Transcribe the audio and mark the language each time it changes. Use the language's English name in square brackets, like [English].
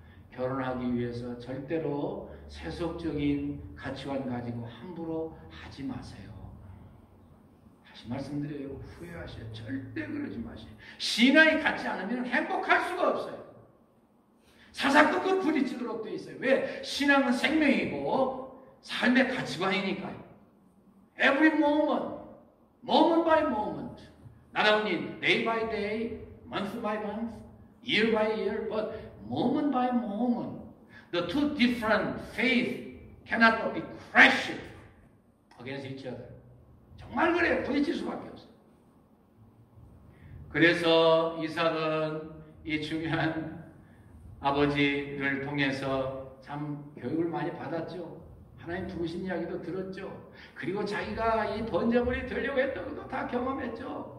[Korean] 결혼하기 위해서 절대로 세속적인 가치관 가지고 함부로 하지 마세요. 다시 말씀드려요. 후회하세요. 절대 그러지 마세요. 신앙이 같지 않으면 행복할 수가 없어요. 사사건건 부딪히도록 되어 있어요. 왜? 신앙은 생명이고 삶의 가치관이니까요. [English] Every moment, moment by moment, not only day by day, month by month, year by year, but moment by moment. The two different faith cannot be crashed against each other. [Korean] 정말 그래요. 부딪힐 수밖에 없어요. 그래서 이삭은 이 중요한 아버지를 통해서 참 교육을 많이 받았죠. 하나님 부르신 이야기도 들었죠. 그리고 자기가 이 번제물이 되려고 했던 것도 다 경험했죠.